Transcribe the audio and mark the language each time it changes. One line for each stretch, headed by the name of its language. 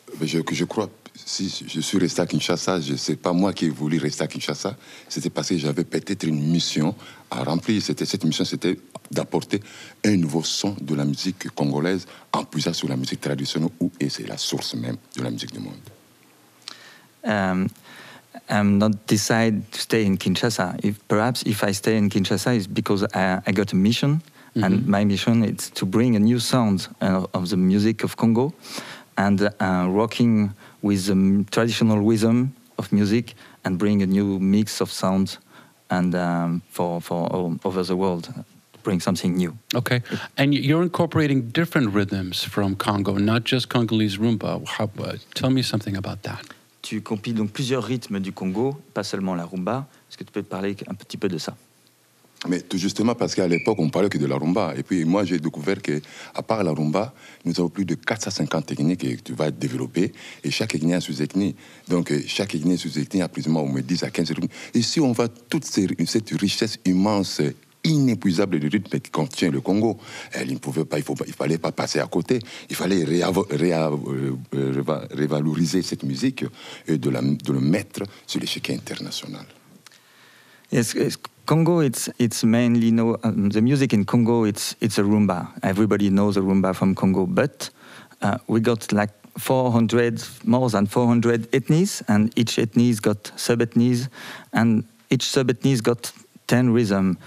French: Je crois, si je suis resté à Kinshasa, ce n'est pas moi qui ai voulu rester à Kinshasa. C'était parce que j'avais peut-être une mission à remplir. Cette mission, c'était d'apporter un nouveau son de la musique congolaise en puisant sur la musique traditionnelle, où c'est la source même de la musique du monde.
English: I'm not decide to stay in Kinshasa. If I stay in Kinshasa, it's because I got a mission, mm-hmm. and my mission is to bring a new sound of the music of Congo, and rocking with the traditional rhythm of music, and bring a new mix of sounds, and for all over the world, bring something new. Okay, and you're incorporating different rhythms from Congo, not just Congolese rumba. Tell me something about that.
French: Tu compiles donc plusieurs rythmes du Congo, pas seulement la rumba. Est-ce que tu peux parler un petit peu de ça? Mais tout justement parce qu'à l'époque, on parlait que de la rumba. Et puis moi, j'ai découvert qu'à part la rumba, nous avons plus de 450 techniques que tu vas développer. Et chaque ethnie a sous ethnie. Donc chaque ethnie sous ethnie a plus ou moins 10 à 15 rythmes. Et si on voit toute cette richesse immense, inépuisable de rythmes qui contient le Congo, il ne pouvait pas, il fallait pas passer à côté. Il fallait revaloriser cette musique et de le mettre sur l'échiquier international.
English: Yes, Congo, it's mainly know the music in Congo. It's a rumba. Everybody knows a rumba from Congo. But we got like 400, more than 400 ethnies, and each ethnies got sub ethnies, and each sub ethnies got 10 rhythm.